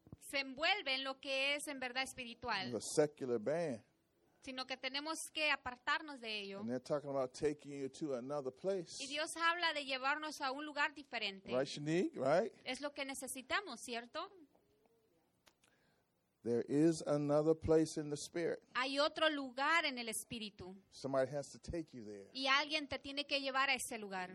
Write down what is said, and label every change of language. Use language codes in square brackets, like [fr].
[es] Se envuelve en lo que es en verdad espiritual. [en] A secular band. [es] Sino que tenemos que apartarnos de ello. [en] And they're talking about taking you to another place. [es] Y Dios habla de llevarnos a un lugar diferente. [en] Right, Shanique, right? [es] Es lo que necesitamos, ¿cierto? [en] There is another place in the spirit. [es] Hay otro lugar en el espíritu. [en] Somebody has to take you there. [es] Y alguien te tiene que llevar a ese lugar.